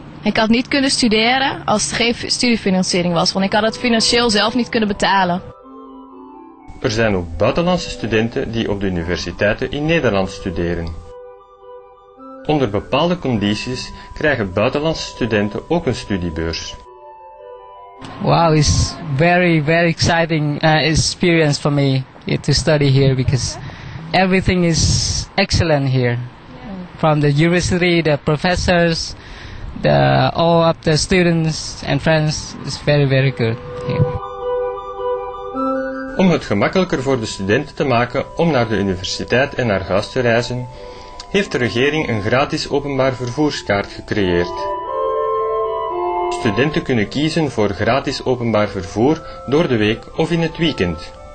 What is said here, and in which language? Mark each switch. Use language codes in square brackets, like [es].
[nl] Ik had niet kunnen studeren als er geen studiefinanciering was, want ik had het financieel zelf niet kunnen betalen. Er zijn ook buitenlandse studenten die op de universiteiten in Nederland studeren. Onder bepaalde condities krijgen buitenlandse studenten ook een studiebeurs. [en] Wow, it's very, very exciting experience for me to study here because everything is excellent here. From the university, the professors, all of the students and friends is very, very good here. [nl] Om het gemakkelijker voor de studenten te maken om naar de universiteit en naar huis te reizen, heeft de regering een gratis openbaar vervoerskaart gecreëerd. Studenten kunnen kiezen voor gratis openbaar vervoer door de week of in het weekend.